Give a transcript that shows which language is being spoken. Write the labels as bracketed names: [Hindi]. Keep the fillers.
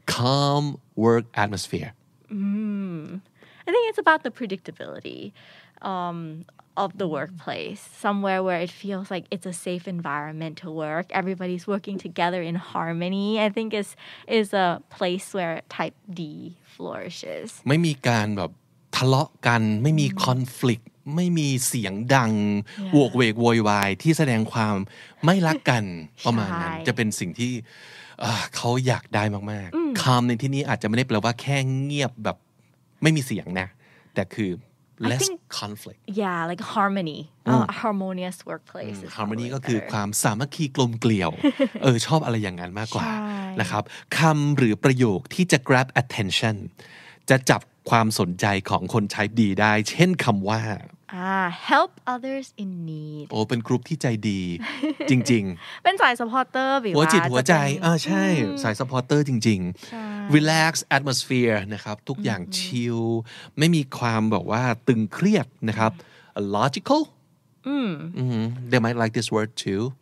[English] Calm work atmosphere. Mm. I think it's about the predictability. Um, of the workplace, somewhere where it feels like it's a safe environment to work. Everybody's working together in harmony. I think is is a place where Type D flourishes. [Thai] ไม่มีการแบบทะเลาะกันไม่มีคอนฟ l i c t ไม่มีเสียงดังวกเวกโวยวายที่แสดงความไม่รักกันประมาณนั้นจะเป็นสิ่งที่เขาอยากได้มาก ๆคำในที่นี้อาจจะไม่ได้แปลว่าแค่เงียบแบบไม่มีเสียงนะ แต่คือ [English] less think, conflict yeah like harmony mm. uh, a harmonious workplace mm. [Thai] harmony ก็คือความสามัคคีกลมเกลียวเออชอบอะไรอย่างนั้นมากกว่านะครับคำหรือประโยคที่จะ grab attention จะจับความสนใจของคนใช้ดีได้ เช่นคำว่า [English] อ่า help others in need [Thai] โอ้เป็นกรุ๊ปที่ใจดี จริง ๆ เป็นสาย supporter บิวหัวจิตหัวใจ อ่าใช่ สาย supporter จริงๆ relax atmosphere นะครับทุกอย่างชิลไม่มีความบอกว่าตึงเครียดนะครับ logical อืม [English] they might like this word too